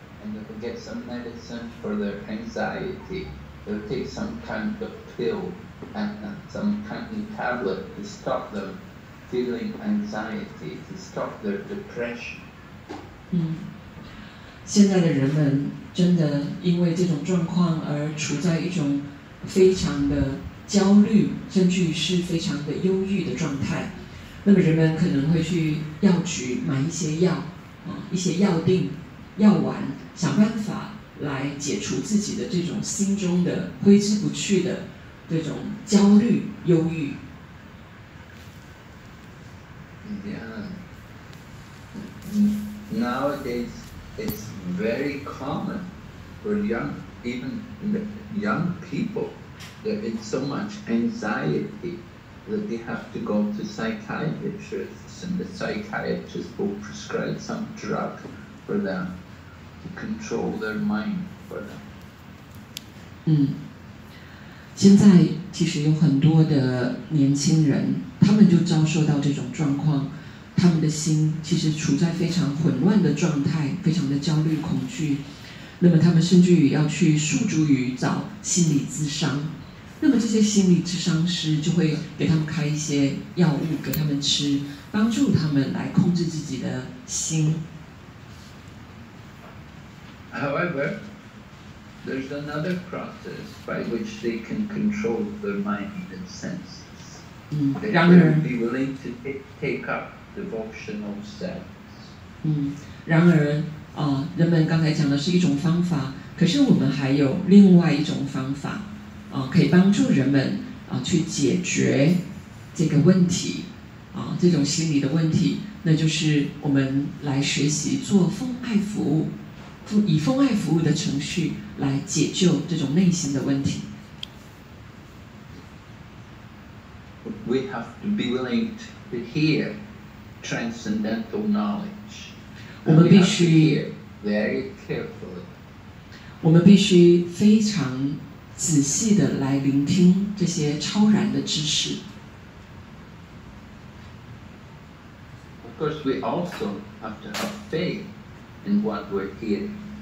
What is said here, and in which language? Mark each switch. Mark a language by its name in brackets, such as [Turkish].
[English] And they will get some medicine for their anxiety. They will take some kind of pill and some kind of tablet to stop them feeling anxiety, to stop their depression. [Chinese] 现在的人们真的因为这种状况而处在一种非常的焦虑，甚至是非常的忧郁的状态。那么人们可能会去药局买一些药，一些药锭、药丸。想办法来解除自己的这种心中的挥之不去的这种焦虑、忧郁。 Yeah. [English] Nowadays, it's very common for young people that it's so much anxiety that they have to go to psychiatrists, and the psychiatrist will prescribe some drug for them. Control their mind for them. [Chinese] 现在其实有很多的年轻人，他们就遭受到这种状况，他们的心其实处在非常混乱的状态，非常的焦虑恐惧。那么他们甚至于要去诉诸于找心理咨商，那么这些心理咨商师就会给他们开一些药物给他们吃，帮助他们来控制自己的心。 [English] However, there's another process by which they can control their mind and senses. They will be willing to take up devotional steps. [Chinese] 然而，人们刚才讲的是一种方法，可是我们还有另外一种方法，可以帮助人们去解决这个问题，这种心理的问题，那就是我们来学习做奉爱服务。以奉爱服务的程序来解救这种内心的问题。 [English] We have to be willing to hear transcendental knowledge. [Chinese] 我们必须 [English] very carefully. [Chinese] 我们必须非常仔细的来聆听这些超然的知识。 [English] Of course, we also have to have faith in what we're hearing.